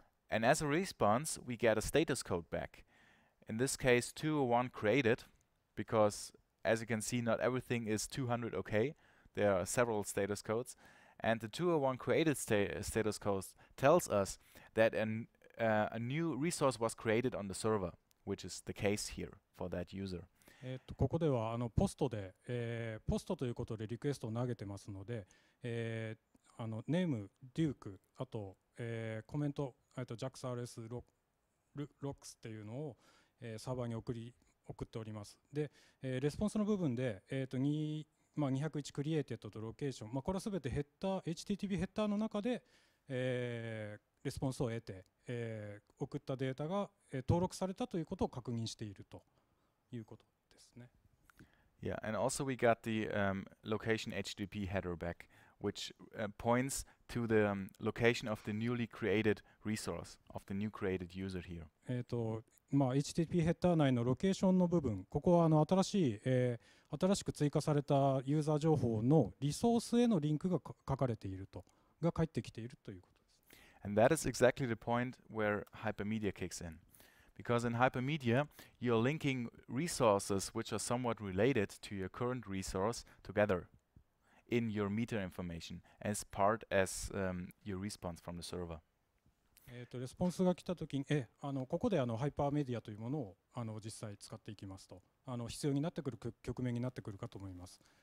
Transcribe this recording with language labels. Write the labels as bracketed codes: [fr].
[en] And as a response, we get a status code back. In this case, 201 created, because as you can see, not everything is 200 okay. There are several status codes. And the 201 created status code tells us that a new resource was created on the server, which is the case here for that user. [ja] ここではあのポストで、ポストということでリクエストを投げてますので、あのネーム、デューク、あと、コメント、JAX-RS ロックスっていうのを、サーバーに送っております。で、レスポンスの部分で、まあ、201クリエイテッドとロケーション、まあ、これはすべてヘッダー、HTTP ヘッダーの中で、レスポンスを得て、送ったデータが、登録されたということを確認しているということ。 [en] Yeah, and also we got the location HTTP header back, which points to the location of the newly created resource of the new created user here. [ja] まあ、HTTP ヘッダー内のロケーションの部分、ここはあの新しい、新しく追加されたユーザー情報のリソースへのリンクが書かれていると、が返ってきているということです。 [en] And that is exactly the point where Hypermedia kicks in. Because in Hypermedia, you're linking resources which are somewhat related to your current resource together in your meter information as part as your response from the server. [ja] レスポンスが来た時に、ここであの Hypermedia というものをあの実際使っていきますと、あの必要になってくる局面になってくるかと思います。